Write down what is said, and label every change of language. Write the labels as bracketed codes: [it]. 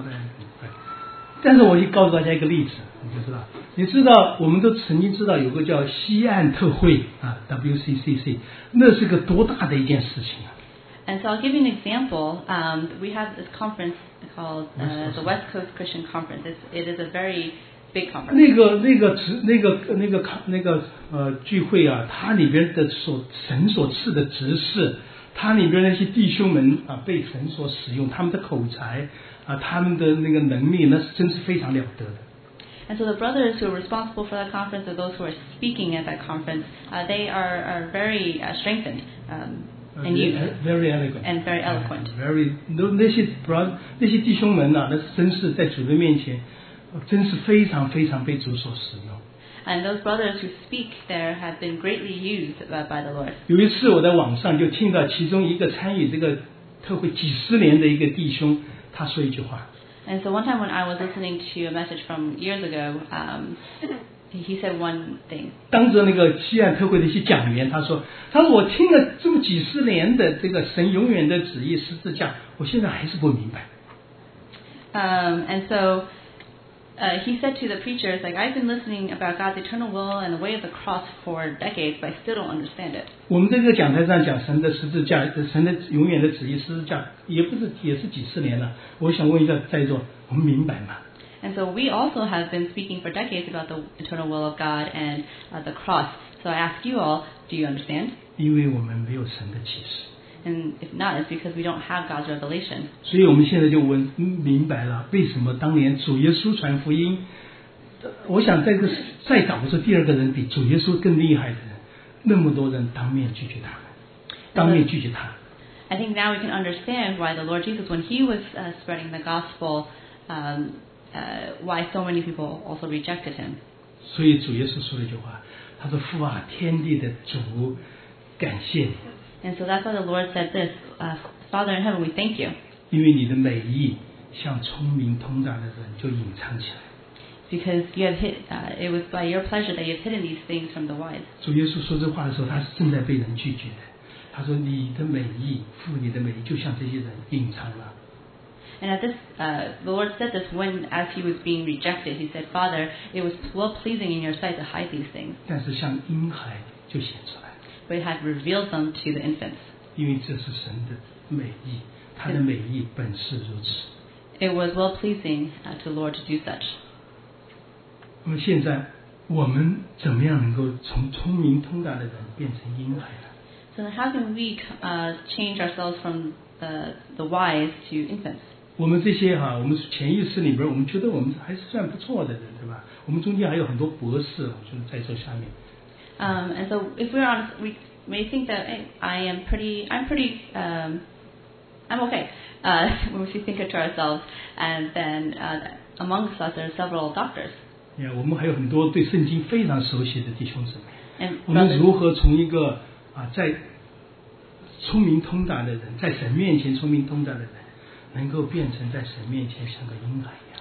[en] But I'll give you an example, you know. [zh] 你知道，我们都曾经知道有个叫西岸特会啊 ，WCCC， 那是个多大的一件事情啊 [en] ！And so I'll give you an example. We have this conference called the West Coast Christian Conference. It is a very big conference. [zh] 聚会啊，它里边的神所赐的执事，它里边那些弟兄们啊，被神所使用，他们的口才啊，他们的那个能力，那是真是非常了得的。 [en] And so the brothers who are responsible for that conference are those who are speaking at that conference. They are very strengthened and you. Very elegant. And very eloquent. Very, [zh] 那些 [en] brothers, [zh] 那些弟兄们啊，那真是在主的面前，真是非常非常被主所使用。 [en] And those brothers who speak there have been greatly used by the Lord. [zh] 有一次我在网上就听到其中一个参与这个特会几十年的一个弟兄，他说一句话。 [en] And so one time when I was listening to a message from years ago, he said one thing. [zh] 当着那个西岸特会的一些讲员，他说我听了这么几十年的这个神永远的旨意十字架，我现在还是不明白。 [en] He said to the preachers, like I've been listening about God's eternal will and the way of the cross for decades, but I still don't understand it. [zh] 我们在这个讲台上讲神的十字架，神的永远的旨意，十字架也是几十年了。我想问一下在座，我们明白吗 [en] ？And so we also have been speaking for decades about the eternal will of God and the cross. So I ask you all, do you understand? [zh] 因为我们没有神的启示。 [en] And if not, it's because we don't have God's revelation. [zh] 所以我们现在就问明白了，为什么当年主耶稣传福音？我想在这再找不出第二个人比主耶稣更厉害的人，那么多人当面拒绝他们，当面拒绝他。 [en] I think now we can understand why the Lord Jesus, when he was spreading the gospel, why so many people also rejected him. [zh] 所以主耶稣说了一句话，他说：“父啊，天地的主，感谢你。” [en] And so that's why the Lord said this, Father in heaven, we thank you. [zh] 因为你的美意像聪明通达的人就隐藏起来。 [en] Because you have hid, it was by your pleasure that you have hidden these things from the wise. [zh] 主耶稣说这话的时候，他是正在被人拒绝的。他说：“你的美意，父，你的美意就像这些人隐藏了。” [en] And at this, the Lord said this when, as he was being rejected, he said, Father, it was well pleasing in your sight to hide these things. [zh] 但是像婴孩就显出来。 [en] We had revealed them to the infants. [zh] 因为这是神的美意，他的美意本是如此。 [en] It was well pleasing to the Lord to do such. [zh] 那么现在我们怎么样能够从聪明通达的人变成婴孩呢 [en] ？So how can we change ourselves from the wise to infants? [zh] 我们这些哈，我们潜意识里边，我们觉得我们还是算不错的人，对吧？我们中间还有很多博士，我们在座下面。 [en] And so, if we're honest, we may think that hey, I'm okay. When we think to ourselves, and then amongst us, there are several doctors. [zh] Yeah, 我们还有很多对圣经非常熟悉的弟兄姊妹。 [en] And [zh] 我们如何从一个在聪明通达的人，在神面前聪明通达的人，能够变成在神面前像个婴孩？